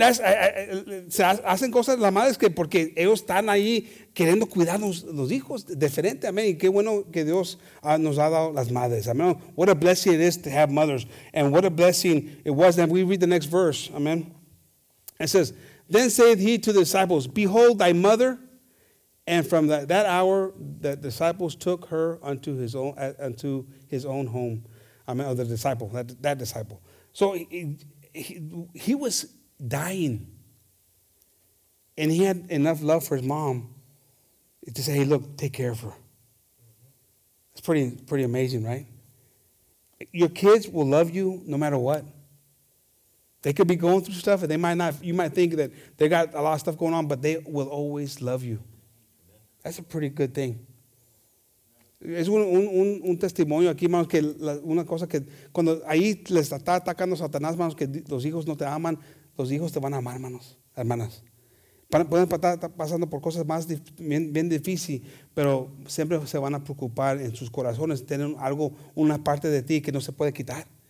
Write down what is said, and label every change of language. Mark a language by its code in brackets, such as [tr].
[es] Se hacen cosas las madres que porque ellos están ahí queriendo cuidar los hijos. Diferente. Amen. Y qué bueno que Dios nos ha dado las madres. Amen. [en] What a blessing it is to have mothers. And what a blessing it was. And we read the next verse. Amen. It says, then saith he to the disciples, behold thy mother. And from that hour, the disciples took her unto his own home. I mean, the disciple, that disciple. So he was dying. And he had enough love for his mom to say, hey, look, take care of her. It's pretty amazing, right? Your kids will love you no matter what. They could be going through stuff, and you might think that they got a lot of stuff going on, but they will always love you. That's a pretty good thing. [es] Es un testimonio aquí, hermanos, que una cosa que cuando ahí les está atacando Satanás, hermanos, que los hijos no te aman, los hijos te van a amar, hermanos, hermanas. Pueden estar pasando por cosas más bien difícil, pero siempre se van a preocupar en sus corazones, tienen algo, una parte de ti que no se puede quitar.